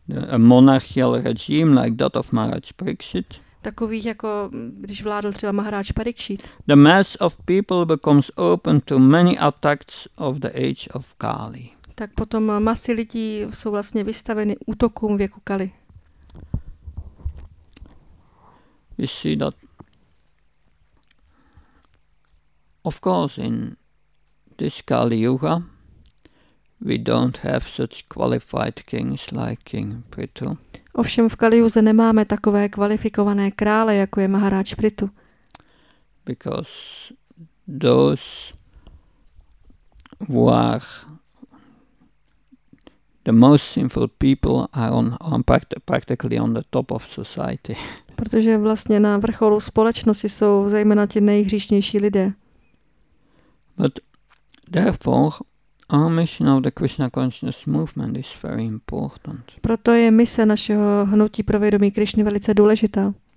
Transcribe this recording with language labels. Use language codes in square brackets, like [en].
[en] A monarchical regime like that of Maharaj Parikshit. [cs] Takových jako když vládl třeba Maharaj Parikshit. [en] The mass of people becomes open to many attacks of the age of Kali. [cs] Tak potom masy lidí jsou vlastně vystaveny útokům věku Kali. [en] We see that of course in this Kali Yuga we don't have such qualified kings like King Prithu. [cs] Ovšem v Kali Yuze nemáme takové kvalifikované krále, jako je Maharaj Prithu. [en] Because those who are the most sinful people are on practically on the top of society. [cs] Protože vlastně na vrcholu společnosti jsou zejména ti nejhříšnější lidé. [en] But therefore our mission of the Krishna consciousness movement is very important. [cs] Proto je mise našeho hnutí pro vědomí Krišny velice důležitá.